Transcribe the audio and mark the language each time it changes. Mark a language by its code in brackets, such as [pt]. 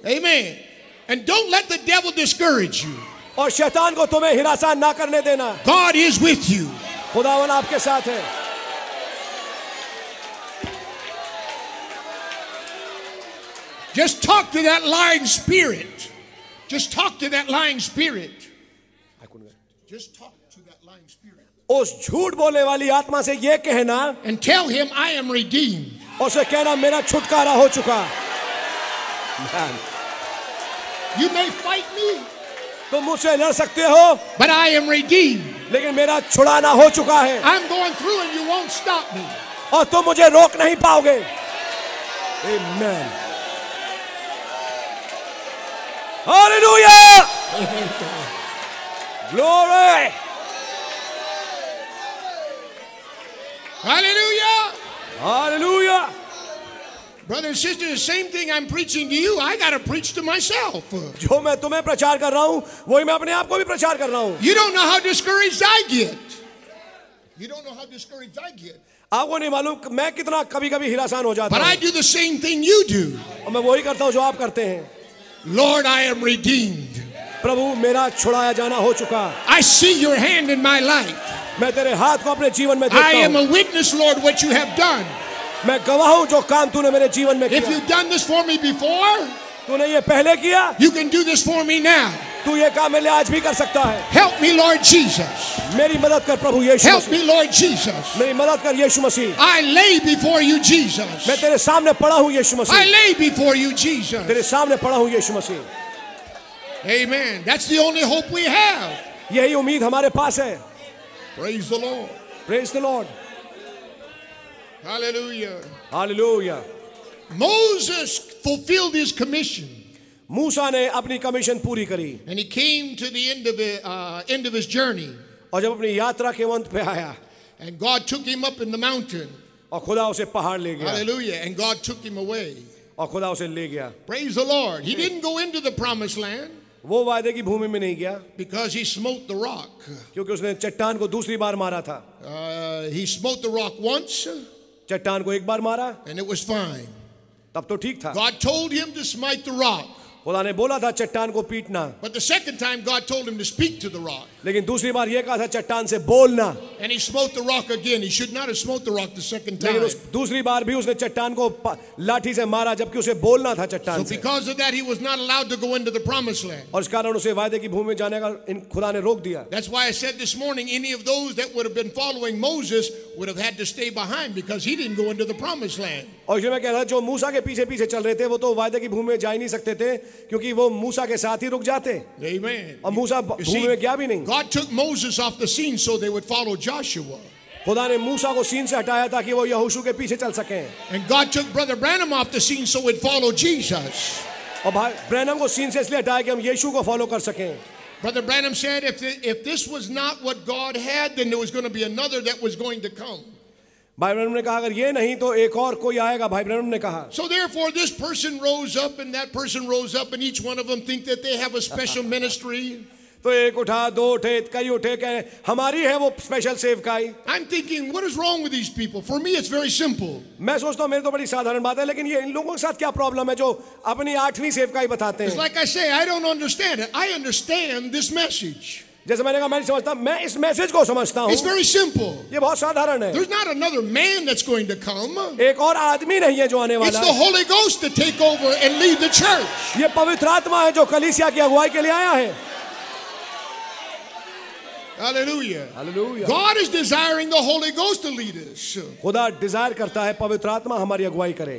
[en] Amen. And don't let the devil discourage you. [hi] और शैतान को तुम्हें हिरासान ना करने देना. [en] God is with you. [hi] खुदावन आपके साथ है. [en] Just talk to that lying spirit. Just talk to that lying spirit. Just talk to that lying spirit. [hi] उस झूठ बोलने वाली आत्मा से ये कहना. [en] And tell him I am redeemed. [hi] और उसे कहना मेरा छुटकारा हो चुका. [en] Man. You may fight me. [hi] तुम मुझसे लड़ सकते हो. [en] But I am redeemed. [hi] लेकिन मेरा छुड़ाना हो चुका है. [en] I'm going through and you won't stop me. [hi] और तुम मुझे रोक नहीं पाओगे. [en] Amen. Hallelujah! Glory! Hallelujah! Hallelujah! Brother and sister, the same thing I'm preaching to you, I gotta preach to myself. [hi] जो मैं तुम्हें प्रचार कर रहा हूँ, वही मैं अपने आप को भी प्रचार कर रहा हूँ. [en] You don't know how discouraged I get. You don't know how discouraged I get. [hi] आपको नहीं मालूम मैं कितना कभी-कभी हिरासान हो जाता हूँ. [en] But I do the same thing you do. [hi] और मैं वही करता हूँ जो आप करते हैं. [en] Lord, I am redeemed. [hi] प्रभु मेरा छुड़ाया जाना हो चुका. [en] I see your hand in my life. [hi] मैं तेरे हाथ को अपने जीवन में देखता हूँ. [en] I am a witness, Lord, what you have done. [hi] मैं गवाह हूँ जो काम तूने मेरे जीवन में किया. [en] If you've done this for me before, [hi] तूने ये पहले किया. [en] You can do this for me now. [hi] तू ये काम मेरे लिए आज भी कर सकता है. [en] Help me, Lord Jesus. [hi] मेरी मदद कर प्रभु यीशु मसीह. [en] Help me, Lord Jesus. [hi] मेरी मदद कर यीशु मसीह. [en] I lay before you, Jesus. [hi] मैं तेरे सामने पड़ा हूँ यीशु मसीह. [en] I lay before you, Jesus. [hi] तेरे सामने पड़ा हूँ यीशु मसीह. [en] Amen. That's the only hope we have. [hi] यही उम्मीद हमारे पास है. [en] Praise the Lord. Praise the Lord. Hallelujah. Hallelujah. Moses fulfilled his commission. [hi] मूसा ने अपनी कमीशन पूरी करी. [en] And he came to the end of his journey. [hi] और जब अपनी यात्रा के अंत पे आया. [en] And God took him up in the mountain. [hi] और खुदा उसे पहाड़ ले गया. [en] Hallelujah. And God took him away. [hi] और खुदा उसे ले गया. [en] Praise the Lord. He didn't go into the promised land. [hi] वो वायदे की भूमि में नहीं गया. [en] Because he smote the rock. [hi] क्योंकि उसने चट्टान को दूसरी बार मारा था. [en] He smote the rock once. [hi] चट्टान को एक बार मारा. [en] And it was fine. [hi] तब तो ठीक था. [en] God told him to smite the rock. [hi] खुदा ने बोला था चट्टान को पीटना. [en] But the second time God told him to speak to the rock. [hi] लेकिन दूसरी बार ये कहा था चट्टान से बोलना. [en] And he smote the rock again. He should not have smote the rock the second time. [hi] लेकिन दूसरी बार भी उसने चट्टान को लाठी से मारा जबकि उसे बोलना था चट्टान से. [en] So because of that he was not allowed to go into the promised land. [hi] और इस कारण उसे वायदे की भूमि में जाने का खुदा ने रोक दिया. [en] That's why I said this morning any of those that would have been following Moses would have had to stay behind because he didn't go into the promised land. [hi] और इसलिए मैं कह रहा था जो मूसा के पीछे पीछे चल रहे थे वो तो वायदे की भूमि में जा ही नहीं सकते थे क्योंकि वो मूसा के साथ ही रुक जाते. [en] Amen. [hi] और मूसा भूमि में गया भी नहीं. [en] God took Moses off the scene so they would follow Joshua. [hi] खुदा ने मूसा को सीन से हटाया ताकि वो यहोशू के पीछे चल सके. [en] And God took Brother Branham off the scene so he'd follow Jesus. [hi] और भाई ब्रैनम को सीन से इसलिए हटाया कि हम यीशु को फॉलो कर सकें. [en] Brother Branham said if this was not what God had then there was going to be another that was going to come. [hi] भाई ब्रैनम ने कहा अगर ये नहीं तो एक और कोई आएगा. भाई ब्रैनम ने कहा. [en] So therefore this person rose up and that person rose up and each one of them think that they have a special ministry. [hi] तो एक उठा दो उठे कई उठे कह हमारी है वो स्पेशल सेवकाई. [en] I'm thinking, what is wrong with these people? For me, it's very simple. [hi] मैं सोचता हूँ मेरे तो बड़ी साधारण बात है लेकिन ये इन लोगों के साथ क्या प्रॉब्लम है जो अपनी आठवीं सेवकाई बताते हैं. [en] It's like I say, I don't understand it. I understand this message. [hi] जैसे मैंने कहा मैं नहीं समझता मैं इस मैसेज को समझता हूँ. [en] It's very simple. [hi] ये बहुत साधारण है. [en] There's not another man that's going to come. [hi] एक और आदमी नहीं है जो आने वाला. [en] It's the Holy Ghost to take over and lead the church. [hi] ये पवित्र आत्मा है जो कलीसिया की अगुवाई के लिए आया है. [en] Hallelujah. Hallelujah. God is desiring the Holy Ghost to lead us. [hi] खुदा डिजायर करता है पवित्र आत्मा हमारी अगुवाई करे.